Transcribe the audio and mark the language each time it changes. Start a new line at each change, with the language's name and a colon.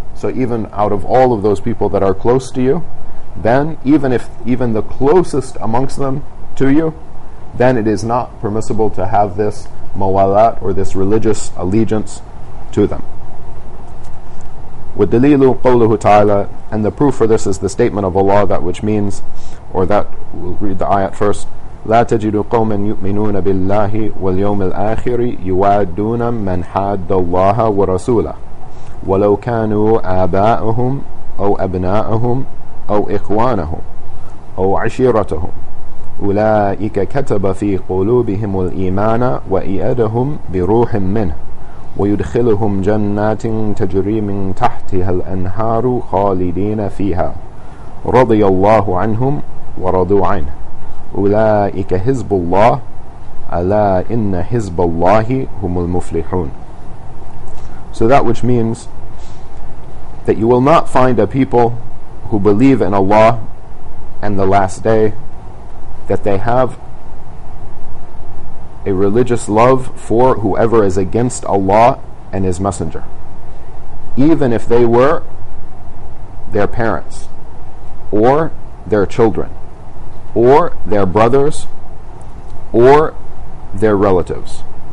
English: So even out of all of those people that are close to you, then even the closest amongst them to you, then it is not permissible to have this mawalat or this religious allegiance to them.
Arabic: وَدَلِيلُ قَوْلُهُ تَعَالَى.
English: And the proof for this is the statement of Allah, that which means, or that, we'll read the ayat first.
Arabic: لا تجد قوما يؤمنون بالله واليوم الآخر يوادون من حاد الله ورسوله ولو كانوا آباءهم أو أبناءهم أو إخوانهم أو عشيرتهم أولئك كتب في قلوبهم الإيمان وأيدهم بروح منه ويدخلهم جنات تجري من تحتها الأنهار خالدين فيها رضي الله عنهم ورضوا عنه أولئك حزب الله ألا إن حزب الله هم المفلحون.
English: So that which means that you will not find a people who believe in Allah and the last day that they have a religious love for whoever is against Allah and His Messenger, even if they were their parents or their children or their brothers or their relatives.